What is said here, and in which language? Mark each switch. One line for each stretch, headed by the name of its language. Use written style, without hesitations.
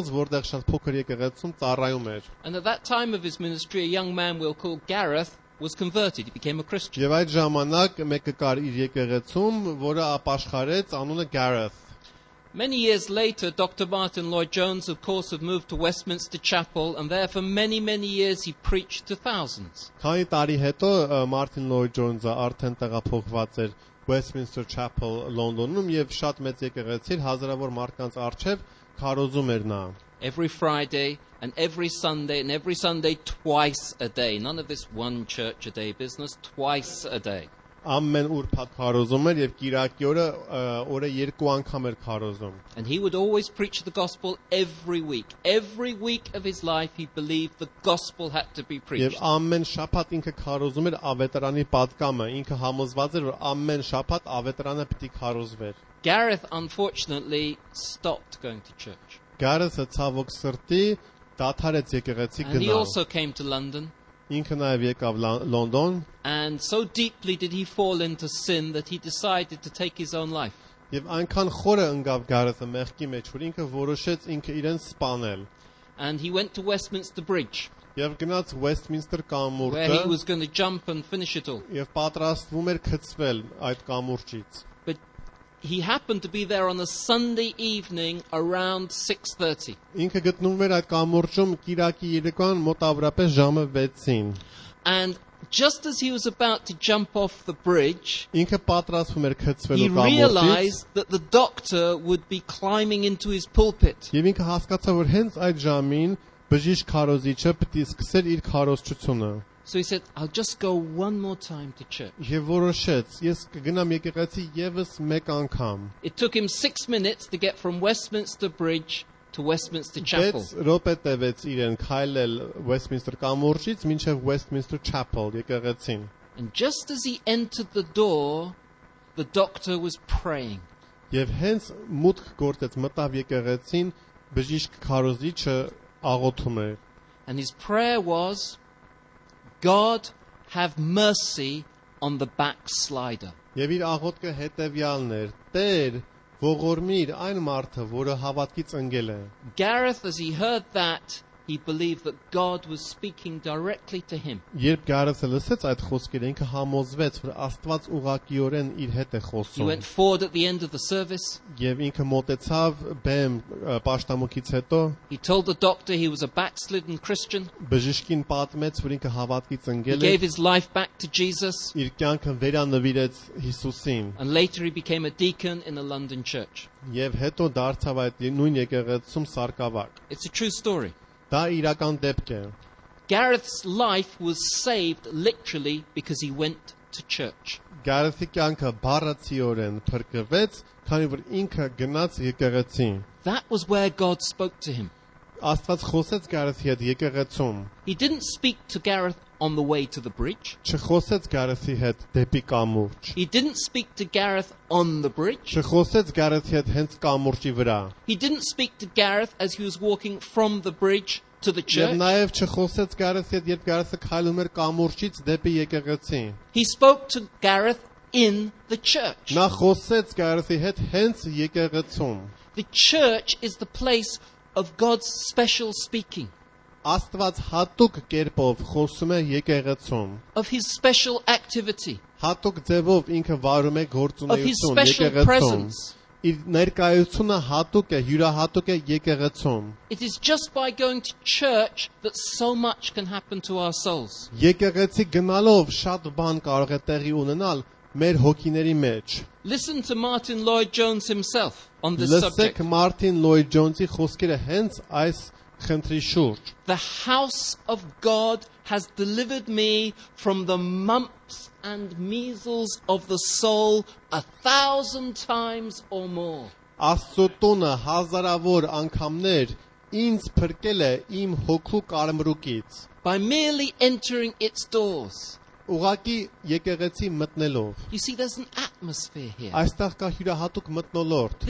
English: And at that time of his ministry, a young man we'll call Gareth was converted. He became a Christian. Many years later, Dr. Martin Lloyd-Jones, of course, had moved to Westminster Chapel, and there for many, many years he preached to thousands.
Armenian: Քանի տարի հետո Մարտին Լոյդ-Ջոնզը արդեն տեղափոխված էր Westminster Chapel, Լոնդոնում, եւ շատ մեծ եկեղեցիր հազարավոր մարդկանց առջև քարոզում էր նա.
English: Every Friday and every Sunday twice a day. None of this one church a day business, twice a day.
Armenian: Ամեն ուրբաթ քարոզում էր եւ կիրակի օրը երկու անգամ էր քարոզում։
English: And he would always preach the gospel every week. Every week of his life he believed the gospel had to be preached.
Armenian: Եվ ամեն շաբաթ ինքը քարոզում էր ավետարանի պատկամը, ինքը համոզված էր, որ ամեն շաբաթ ավետարանը պիտի քարոզվեր։
English: Gareth unfortunately stopped going to church.
Armenian: Gareth-ը ցավոք սրտի դադարեց եկեղեցի գնալ։
English: And he also came to London.
Armenian: Ինքը նաև եկավ Լոնդոն.
English: And so deeply did he fall into sin that he decided to take his own life.
Armenian: Եվ այնքան խորը ընկավ Գարեթը մեղքի մեջ, որ ինքը որոշեց ինքը իրեն սպանել.
English: And he went to Westminster Bridge.
Armenian: Եվ գնաց Westminster կամուրջը.
English: Where he was going to jump and finish it all.
Armenian: Եվ պատրաստվում էր կծվել այդ կամուրջից.
English: But he happened to be there on a Sunday evening around 6:30.
Armenian: Ինքը գտնվում էր այդ կամուրջում կիրակի երեկոյան մոտավորապես ժամը 6-ին.
English: And just as he was about to jump off the bridge,
Armenian: ինքը պատրաստվում էր կծվելու կամուրջից,
English: he realized that the doctor would be climbing into his pulpit.
Armenian: Եվ ինքը հասկացավ, որ հենց այդ ժամին բժիշկ քարոզիչը պետք է սկսեր իր քարոզչությունը.
English: So he said, I'll just go one more time to church.
Armenian: Եվ որոշեց, ես կգնամ եկեղեցի եւս մեկ անգամ.
English: It took him 6 minutes to get from Westminster Bridge to Westminster Chapel.
Armenian: Մեծ րոպե տևեց իրեն քայլել Westminster կամուրջից մինչև Westminster Chapel եկեղեցին.
English: And just as he entered the door, the doctor was praying.
Armenian: Եվ հենց մուտք գործեց մտավ եկեղեցին բժիշկ քարոզիչը աղոթում էր.
English: And his prayer was, God have mercy on the backslider.
Armenian: Եվ իր աղոթքը հետևյալն էր. Տեր, ողորմիր այն մարդը, որը հավատքից ընկել է.
English: Gareth, as he heard that, he believed that God was speaking directly to him.
Armenian: Երբ Գարեսը լսեց այդ խոսքերը, ինքը համոզվեց, որ Աստված ուղղակիորեն իր հետ է խոսում.
English: He went forward at the end of the service.
Armenian: Եվ ինքը մոտեցավ բեմ պաշտամունքից հետո.
English: He told the doctor he was a backslidden Christian.
Armenian: Բժշկին պատմեց, որ ինքը հավատքից ընկել է.
English: He gave his life back to Jesus.
Armenian: Իր կյանքը վերանվիրեց Հիսուսին.
English: And later he became a deacon in a London church.
Armenian: Եվ հետո դարձավ այդ նույն եկեղեցում սարկավար.
English: It's a true story.
Armenian: Դա իրական դեպք է.
English: Gareth's life was saved literally because he went to church.
Armenian: Գարեթի կյանքը բառացիորեն փրկվեց, քանի որ ինքը գնաց եկեղեցին.
English: That was where God spoke to him.
Armenian: Աստված խոսեց Գարեթի հետ եկեղեցում.
English: He didn't speak to Gareth on the way to the bridge.
Armenian: Չխոսեց Գարեթի հետ դեպի կամուրջ.
English: He didn't speak to Gareth on the bridge.
Armenian: Չխոսեց Գարեթի հետ հենց կամուրջի վրա.
English: He didn't speak to Gareth as he was walking from the bridge to the church.
Armenian: Եվ նաև չխոսեց Գարեթի հետ, երբ Գարեթը քայլում էր կամուրջից դեպի եկեղեցին.
English: He spoke to Gareth in the church.
Armenian: Նա խոսեց Գարեթի հետ հենց եկեղեցում.
English: The church is the place of God's special speaking.
Armenian: Աստված հատուկ կերպով խոսում է եկեղեցում.
English: Of his special activity.
Armenian: Հատուկ ձևով ինքը վարում է գործունեությունը եկեղեցում. Իր ներկայությունը հատուկ է, յուրահատուկ է եկեղեցում.
English: It is just by going to church that so much can happen to our souls.
Armenian: Եկեղեցի գնալով շատ բան կարող է տեղի ունենալ մեր հոգիների մեջ.
English: Listen to Martin Lloyd-Jones himself on this
Armenian: Լսեք
English: subject.
Armenian: Martin Lloyd-Jones-ի խոսքերը հենց այս խնդրի շուրջ.
English: The house of God has delivered me from the mumps and measles of the soul 1,000 times or more.
Armenian: Աստծո տունը հազարավոր անգամներ ինձ փրկել է իմ հոգու կարմրուկից.
English: By merely entering its doors.
Armenian: Ուղակի եկեղեցի մտնելով.
English: You see, there's an atmosphere here.
Armenian: Այստեղ կա հյուրահատուկ մթնոլորտ.